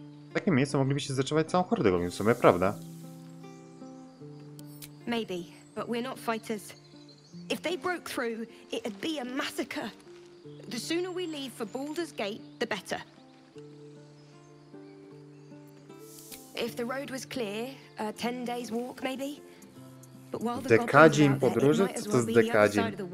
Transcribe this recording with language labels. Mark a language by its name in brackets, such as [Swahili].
[Polish] W takim miejscu moglibyście zatrzymać całą hordę goblinów, w sumie, prawda? [English] Maybe, but we're not fighters. If they broke through, it'd be a massacre. The sooner we leave for Baldur's Gate, the better. If the road was clear, a 10 days walk maybe. But while the [Polish] dekadzin podróży, co to jest dekadzin?